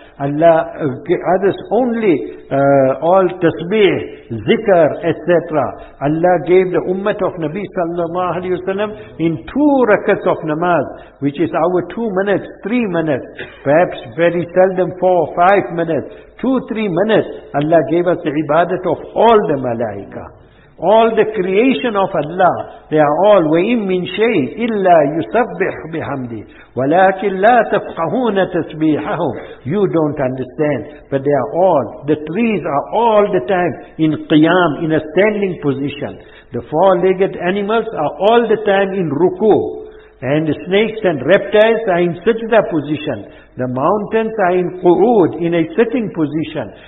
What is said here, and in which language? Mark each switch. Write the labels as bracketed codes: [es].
[en] Allah, others only all tasbih, zikr, etc. Allah gave the ummah of Nabi sallallahu alayhi wa sallam in two rakats of namaz, which is our 2 minutes, 3 minutes, perhaps very seldom 4 or 5 minutes. 2-3 minutes, Allah gave us the ibadat of all the malaika. All the creation of Allah, they are all [ar] وَإِمْ مِنْ شَيْءٍ إِلَّا يُسَبِّحْ بِحَمْدِ وَلَكِنْ لَا تَفْقَهُونَ تَسْبِيحَهُمْ. [en] You don't understand, but they are all, the trees are all the time in qiyam, in a standing position. The four-legged animals are all the time in ruku, and the snakes and reptiles are in sajda position. The mountains are in qu'ud, in a sitting position.